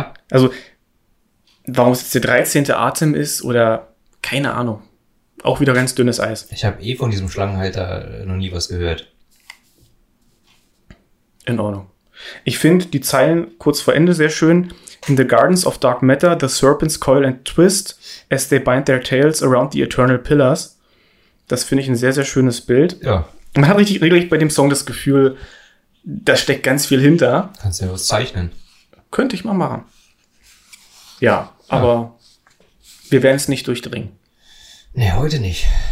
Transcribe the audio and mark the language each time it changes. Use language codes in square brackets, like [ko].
[de] Also, warum es jetzt der 13. Atem ist oder keine Ahnung. Auch wieder ganz dünnes Eis. Ich habe eh von diesem Schlangenhalter noch nie was gehört. In Ordnung. Ich finde die Zeilen kurz vor Ende sehr schön. [en] In the gardens of dark matter, the serpents coil and twist as they bind their tails around the eternal pillars. [de] Das finde ich ein sehr, sehr schönes Bild. Ja. Man hat richtig bei dem Song das Gefühl, da steckt ganz viel hinter. Kannst du ja was zeichnen. Könnte ich mal machen. Ja, aber wir werden es nicht durchdringen. Nee, heute nicht.